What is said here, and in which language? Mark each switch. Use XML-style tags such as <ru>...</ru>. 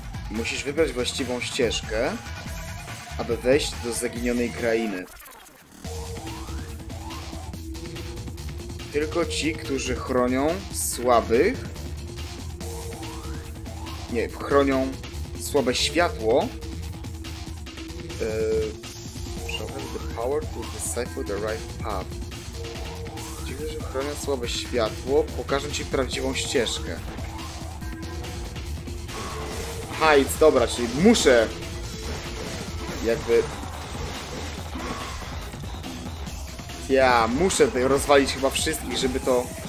<pl>Musisz wybrać właściwą ścieżkę, aby wejść do zaginionej krainy. Tylko ci, którzy chronią słabych... Nie, chronią słabe światło.</pl> <en>Show them the power to decipher the right path.</en> <pl>Ci, którzy chronią słabe światło, pokażą ci prawdziwą ścieżkę. Hajc, dobra, czyli muszę... Jakby... Ja muszę tutaj rozwalić chyba wszystkich, żeby to...</pl>